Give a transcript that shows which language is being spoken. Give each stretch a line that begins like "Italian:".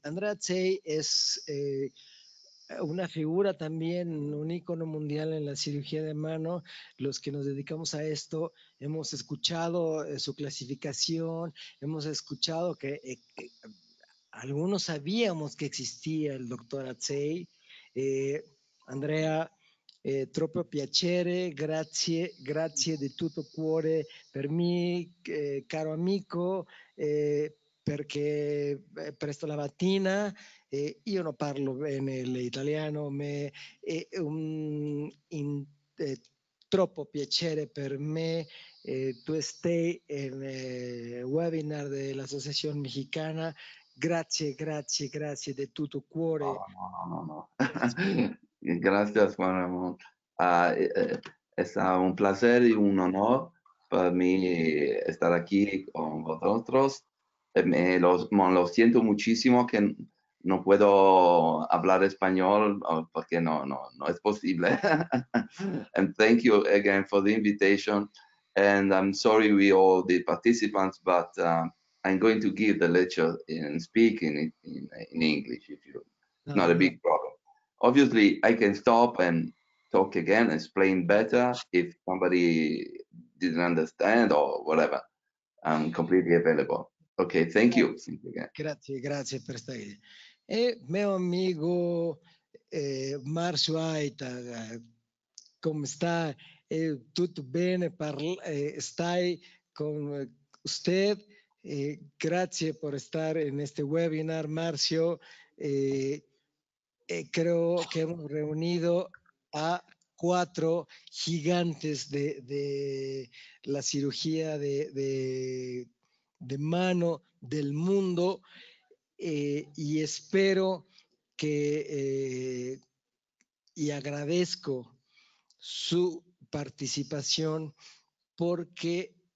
Spanish: Andrea Atzei es una figura también, un ícono mundial en la cirugía de mano. Los que nos dedicamos a esto hemos escuchado su clasificación, hemos escuchado que algunos sabíamos que existía el doctor Atzei.
Italian: Andrea, troppo piacere, grazie, grazie di tutto cuore per me, caro amico, perché presto la mattina. Io non parlo bene l'italiano, ma è troppo piacere per me tu stai nel webinar dell'Associazione Mexicana. Grazie, grazie, grazie di tutto cuore.
Spanish: No, no, no, no. Gracias, Juan Ramón. Es un placer y un honor para mí estar aquí con vosotros. Lo siento muchísimo que no puedo hablar español porque no, no, no es posible.
English: And thank you again for the invitation. And I'm sorry we all the participants, but I'm going to give the lecture and speak in English if you. Not a big problem. Obviously, I can stop and talk again, explain better if somebody didn't understand or whatever. I'm completely available. Okay, thank you. Thank you again.
Italian: Grazie, grazie per stare. E mio amico Marcio Aita, come sta? Tutto bene? Stai con usted? Grazie per stare in questo webinar, Marcio.
Spanish: Creo que hemos reunido a cuatro gigantes de la cirugía de mano del mundo y espero que y agradezco su participación porque